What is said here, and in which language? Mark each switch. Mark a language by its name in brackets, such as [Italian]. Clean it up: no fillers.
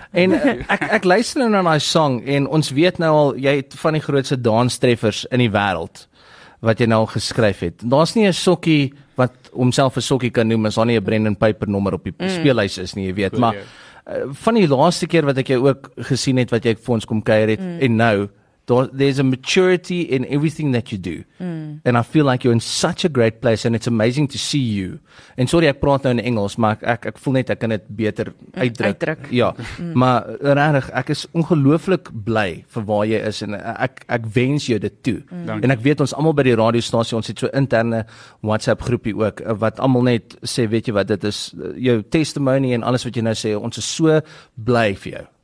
[Afrikaans] En ek luister nou na die song en ons weet nou al, jy het van die grootste danstreffers in die wêreld, wat jy nou al geskryf het. Daar's nie 'n sokkie wat homself 'n sokkie kan noem, as daar nie 'n Brendan Piper nommer op die speellys is nie, jy weet, maar... van die laaste keer wat ek jou ook gesien het, wat jy vir ons kom kuier het, en nou, [English] there's a maturity in everything that you do. Mm. And I feel like you're in such a great place, and it's amazing to see you. [Afrikaans] And sorry, ek praat nou in Engels, maar ek voel net, ek kan het beter uitdruk. Ja, maar rarig, ek is ongelooflik blij vir waar jy is, en ek wens jou dit toe. En ek weet, ons allemaal by die radiostasie, ons het so interne WhatsApp groepie ook, wat allemaal net sê, weet jy wat, dit is jou testimony en alles wat jy nou sê, ons is so blij vir jou.